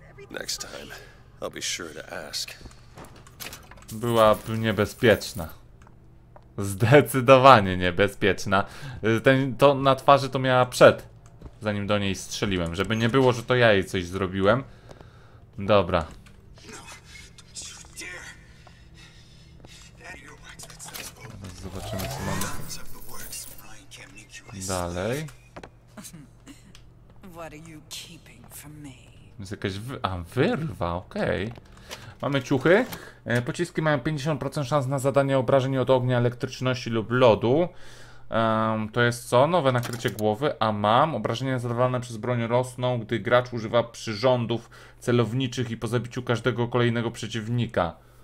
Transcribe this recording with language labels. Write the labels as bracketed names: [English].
[English] Next time, I'll be sure to ask. [Polish] Była niebezpieczna. Zdecydowanie niebezpieczna. To na twarzy to miała przed, zanim do niej strzeliłem. Żeby nie było, że to ja jej coś zrobiłem. Dobra. Zobaczymy, co mamy. Dalej. [English] What are you keeping from me? [Polish] Jest jakaś wyrwa, okej. Okay. Mamy ciuchy. Pociski mają 50% szans na zadanie obrażeń od ognia, elektryczności lub lodu. To jest co? Nowe nakrycie głowy. A mam. Obrażenia zadawane przez broń rosną, gdy gracz używa przyrządów celowniczych i po zabiciu każdego kolejnego przeciwnika.